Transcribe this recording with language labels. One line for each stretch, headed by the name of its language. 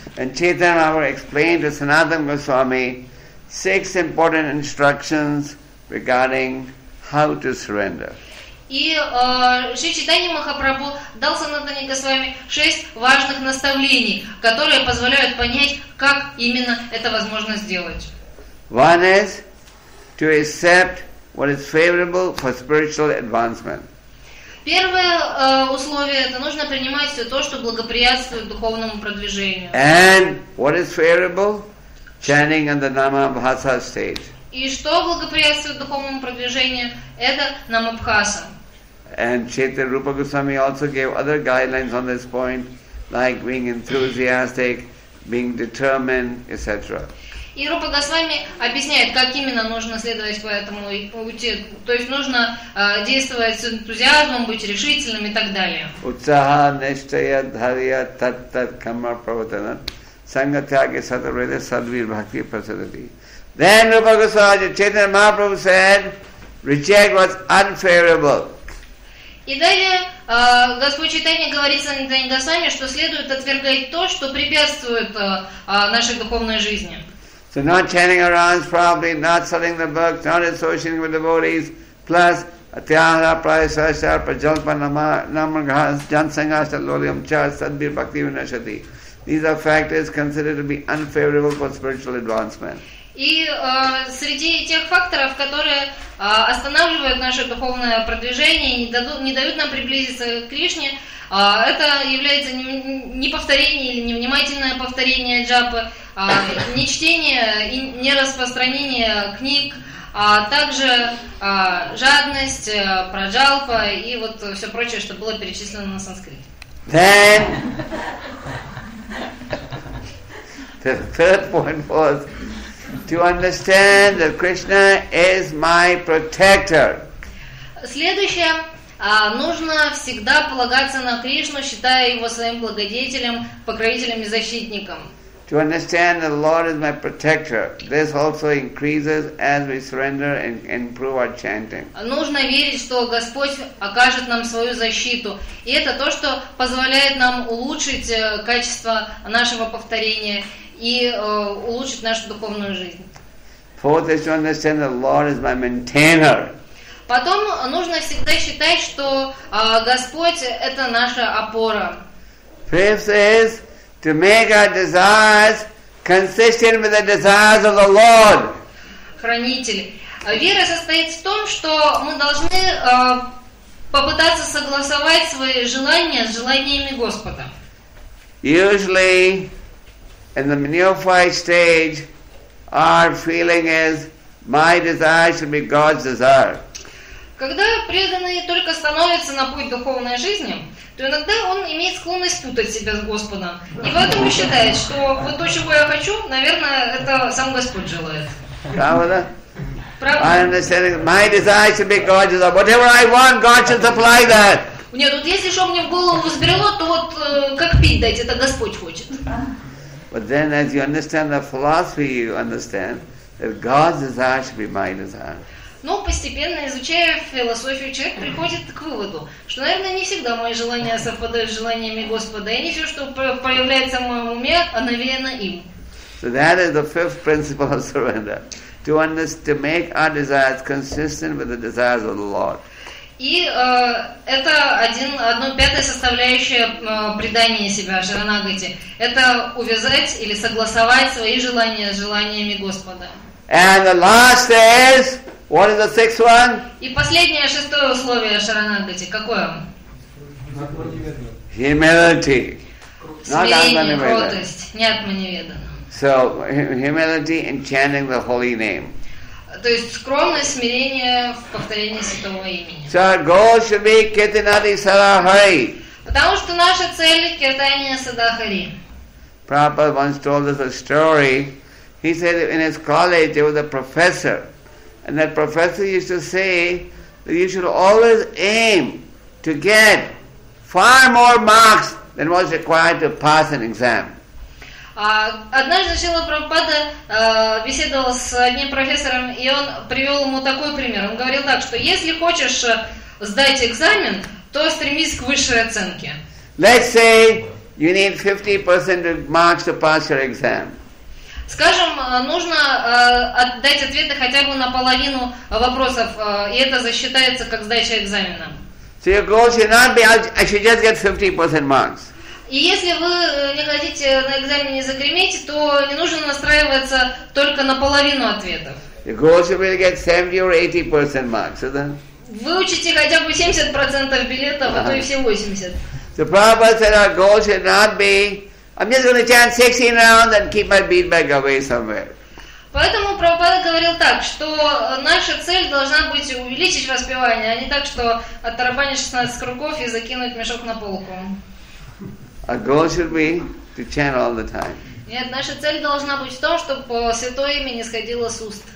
English: And Chaitanya Mahaprabhu explained to Sanatana Goswami six important instructions regarding how to surrender.
Russian: И Шри Чайтанья Махапрабху дал Санатане Госвами шесть важных наставлений, которые позволяют понять, как именно это возможно сделать.
English: One is to accept what is favorable for spiritual advancement.
Russian: Первое условие – это нужно принимать все то, что благоприятствует духовному продвижению.
English: And what is favorable? Chanting on the Nama Bhasa stage.
Russian: И что благоприятствует духовному продвижению? Это Намабхаса.
English: And Chaitanya Rupa Goswami also gave other guidelines on this point, like being enthusiastic, being determined, etc.
Russian: И Рупа Госвами объясняет, как именно нужно следовать по этому пути. То есть нужно действовать с энтузиазмом, быть решительным и так далее.
Sanskrit: Утсаха, ништая, дхария, таттат, камма, праватана, санга, тяги, сатарвайда, садвир, бхакти, прасадати.
English: Then Rupa Goswami, Chaitanya Mahaprabhu said, reject what's unfavorable.
Russian: И далее Господь Чайтанья говорит Санатане Госвами, что следует отвергать то, что препятствует нашей духовной жизни.
English: So not chanting around, probably not selling the books, not associating with devotees, plus
Sanskrit: atyahara, prayasasya, prajalpa, namangas, jansangasya, lolyam, chas, sadbir, bhakti, vinashati.
English: These are factors considered to be unfavorable for spiritual advancement.
Russian: И среди тех факторов, которые останавливают наше духовное продвижение и не дают нам приблизиться к Кришне, это является неповторение или невнимательное повторение джапы, не чтение и не распространение книг, а также жадность, праджалпа и вот все прочее, что было перечислено на санскрите.
English: Then the third point was to understand that Krishna is my protector.
Russian: Следующее, нужно всегда полагаться на Кришну, считая его своим благодетелем, покровителем и защитником.
English: To understand that the Lord is my protector. This also increases as we surrender and improve our chanting.
Russian: Нужно верить, что Господь окажет нам свою защиту. И это то, что позволяет нам улучшить качество нашего повторения и улучшить нашу духовную жизнь.
English: Fourth is to understand that the Lord is my maintainer.
Russian: Потом нужно всегда считать, что Господь – это наша опора.
English: Fifth is to make our desires consistent with the desires of the Lord.
Russian: Хранитель. Вера состоит в том, что мы должны попытаться согласовать свои желания с желаниями Господа.
English: Usually, in the neophyte stage, our feeling is my desire should be God's desire.
Russian: Когда преданный только становится на путь духовной жизни, то иногда он имеет склонность путать себя с Господом. И поэтому считает, что вот то, чего я хочу, наверное, это сам Господь желает. Правда? Правда?
English: I understand my desire should be God's desire. Whatever I want, God should supply that.
Russian: Нет, вот если что мне в голову взбрело, то вот как пить дать, это Господь хочет.
English: But then as you understand the philosophy, you understand that God's desire should be my desire.
Russian: Но постепенно, изучая философию, человек приходит к выводу, что, наверное, не всегда мои желания совпадают с желаниями Господа, и не все, что появляется в моем уме, навеяно им.
English: So that is the fifth principle of surrender. To understand, to make our desires consistent with the desires of the Lord.
Russian: И это одно пятое составляющее предания себя, шаранагати. Это увязать или согласовать свои желания с желаниями Господа.
English: And the last is What is the sixth one?
Russian: И последнее, шестое условие шаранагати. Какое?
English: Humility.
Russian: Смирение, кротость, не атманиведана.
English: So, humility in chanting the holy name.
Russian: То есть скромность, смирение в повторении святого имени.
English: So our goal should be
Sanskrit: Kirtanadi Sadahari.
Russian: Потому что наша цель –
Sanskrit: Киртани Садахари.
English: Prabhupada once told us a story. He said in his college there was a professor. And that professor used to say that you should always aim to get far more marks than was required to pass an exam.
Russian: Однажды Шрила Прабхупада беседовал с одним профессором, и он привел ему такой пример. Он говорил так, что если хочешь сдать экзамен, то стремись к высшей оценке.
English: Let's say you need 50% marks to pass your exam.
Russian: Скажем, нужно дать ответы хотя бы на половину вопросов, и это засчитается как сдача экзамена.
English: So your goal should not be, I should just get 50% marks.
Russian: И если вы не хотите на экзамене не загреметь, то не нужно настраиваться только на половину ответов.
English: Your goal should be to get 70 or 80% marks, isn't it?
Russian: Выучите хотя бы 70% билетов, а то и все 80.
English: So Prabhupada said our goal should not be, I'm just going to chant 16 rounds and keep my bead bag away somewhere.
Russian: Поэтому Прабхупада говорил так, что наша цель должна быть увеличить воспевание, а не так, что оттарабанить 16 кругов и закинуть мешок на полку.
English: Our goal should be to chant all the time.
Russian: Нет, наша цель должна быть в том, чтобы святое имя не сходило с уст.